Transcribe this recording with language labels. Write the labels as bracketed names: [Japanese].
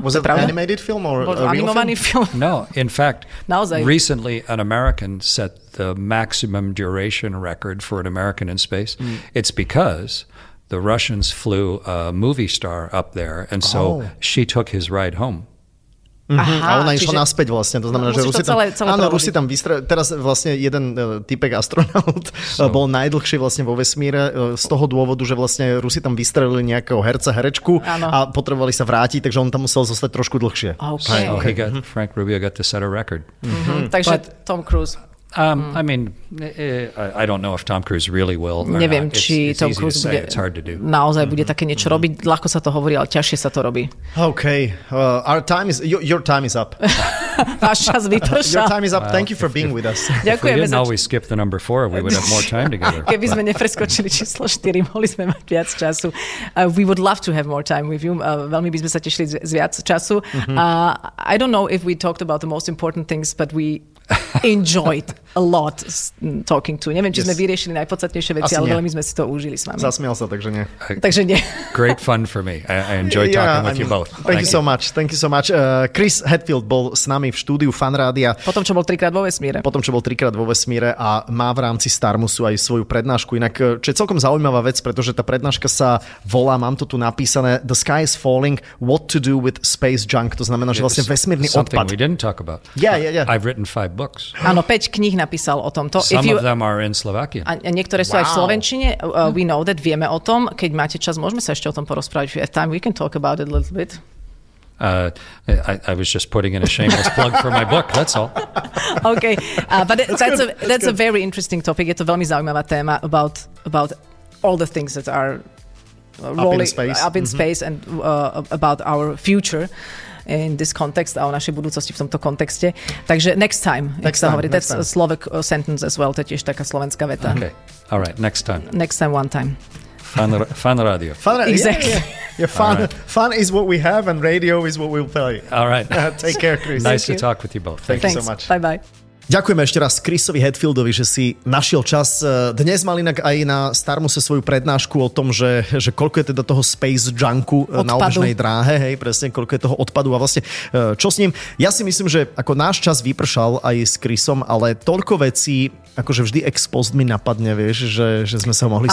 [English] Was it an animated film or a real film? No, in fact, recently an American set the maximum duration record for an American in space. It's because the Russians flew a movie star up there, and so she took his ride home. [Slovak] Aha, a ona išla naspäť vlastne, to znamená, že Rusi tam, teraz vlastne jeden typek astronaut bol najdlhšie vlastne vo vesmíre z toho dôvodu, že vlastne Rusi tam vystrelili nejakého herca, herečku a potrebovali sa vrátiť, takže on tam musel zostať trošku dlhšie. [English] Okay. Got, Frank Rubio got to set a record. [Slovak] Takže Tom Cruise. [English] I mean, I don't know if Tom Cruise really will or [Slovak] neviem, [English] not. It's Tom Cruise easy to say, it's hard to do. [Slovak] Naozaj bude také niečo robiť, ľahko sa to hovorí, ale ťažšie sa to robí. [English] Okay, our time is, your time is up. [Slovak] Váš čas vypršal. [English] Your time is up, thank you for being with us. [Slovak] Ďakujeme. [English] If we didn't always skip the number 4, we would have more time together. [Slovak] Keby sme nepreskočili číslo 4, mohli sme mať viac času. [English] We would love to have more time with you. [Slovak] Veľmi by sme sa tešili z viac času. [English] I don't know if we talked about the most important things, but we... enjoyed a lot talking to. [Slovak] Neviem, či sme vyriešili najpodstatnejšie veci, ale nie. Veľmi sme si to užili s vami. Zasmiel sa, takže nie. Takže nie. [English] Great fun for me. I enjoy talking with you both. Thank you so much. Thank you so much. [Slovak] Chris Hadfield bol s nami v štúdiu Fanrádia. Potom, čo bol trikrát vo vesmíre. A má v rámci Starmusu aj svoju prednášku. Inak, čo je celkom zaujímavá vec, pretože tá prednáška sa volá, mám to tu napísané, [English] The Sky is Falling, What to Do with Space Junk. [Slovak] To znamená, že vlastne vesmírny odpad. [English] We didn't talk about. I've written 5 books. [Slovak] Áno, 5 kníh napísal o tomto. [English] Some of them are in Slovakian. [Slovak] A niektoré sú aj v slovenčine. [English] We know that, [Slovak] vieme o tom. Keď máte čas, môžeme sa ešte o tom porozprávať. [English] If you have time, we can talk about it a little bit. I was just putting in a shameless plug for my book, that's all. Okay, but that's a very interesting topic. [Slovak] Je to veľmi zaujímavá téma [English] about all the things that are rolling, up in space and about our future. In this context, [Slovak] a o našej budúcnosti v tomto kontexte. Takže [English] next time, [Slovak] jak sa hovorí. [English] That's a Slovak sentence as well. [Slovak] To je tiež taká slovenská veta. [English] Okay. All right, next time. Next time, one time. Fan radio. Exactly. Fan is what we have and radio is what we'll play. All right. Take care, Chris. Nice to talk with you both. Thank you so much. Bye-bye. [Slovak] Ďakujeme ešte raz Chrisovi Hetfieldovi, že si našiel čas. Dnes mal inak aj na Starmuse svoju prednášku o tom, že koľko je teda toho space junku odpadu. Na obežnej dráhe, hej, presne, koľko je toho odpadu a vlastne čo s ním. Ja si myslím, že ako náš čas vypršal aj s Chrisom, ale toľko vecí, akože vždy ex post mi napadne, vieš, že sme sa ho mohli